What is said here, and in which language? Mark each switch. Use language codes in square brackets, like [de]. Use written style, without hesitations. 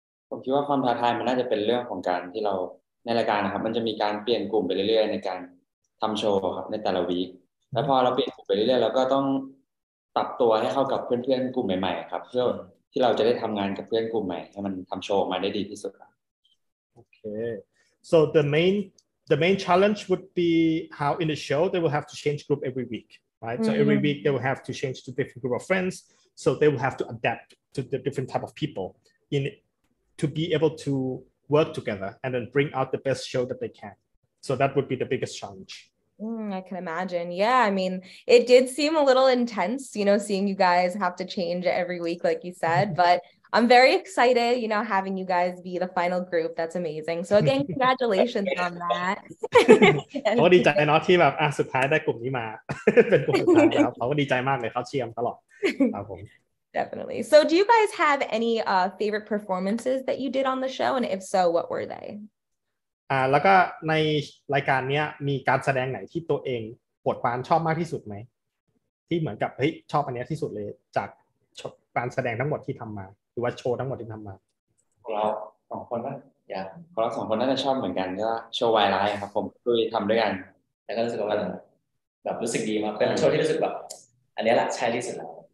[th] ผมคิดว่าความท้าทายมันน่าจะเป็นเรื่องของการที่เราในรายการนะครับมันจะมีการเปลี่ยนกลุ่มไปเรื่อยๆในการทำโชว์ครับในแต่ละวีคแล้วพอเราเปลี่ยนกลุ่มไปเรื่อยๆเราก็ต้องปรับตัวให้เข้ากับเพื่อนๆกลุ่มใหม่ๆครับเพื่อที่เราจะได้ทำงานกับเพื่อนกลุ่มใหม่ให้มันทำโชว์มาได้ดีที่สุด [en] โอเคSo the main challenge would be how in the show they will have to change group every week, right? Mm-hmm. So every week they will have to change to different group of friends. So they will have to adapt to the different type of people in to be able to work together and then bring out the best show that they can. So that would be the biggest challenge. I can imagine. Yeah, I mean, it did seem a little intense, you know, seeing you guys have to change every week, like you said, but I'm very excited, you know, having you guys be the final group. That's amazing. So again, congratulations on that. [th] เขาดีใจนะที่แบบสุดท้ายได้กลุ่มนี้มาเป็นกลุ่มสุดท้ายครับเขาก็ดีใจมากเลยเขาเชียร์ตลอดครับผม [en] Definitely. So do you guys have any favorite performances that you did on the show? And if so, what were they? [th] แล้วก็ในรายการนี้มีการแสดงไหนที่ตัวเองปวดปานชอบมากที่สุดไหมที่เหมือนกับเฮ้ยชอบอันนี้ที่สุดเลยจากการแสดงทั้งหมดที่ทำมาหรือว่าโชว์ทั้งหมดที่ทำมา ของเราสองคนนะอย่างของเราสองคนน่าจะชอบเหมือนกันก็โชว์ไวไลท์ครับผมคือทำด้วยกันแล้วก็รู้สึกว่าแบบรู้สึกดีมากเป็นโชว์ที่รู้สึกแบบอันนี้แหละใช่ที่สุดแล้ว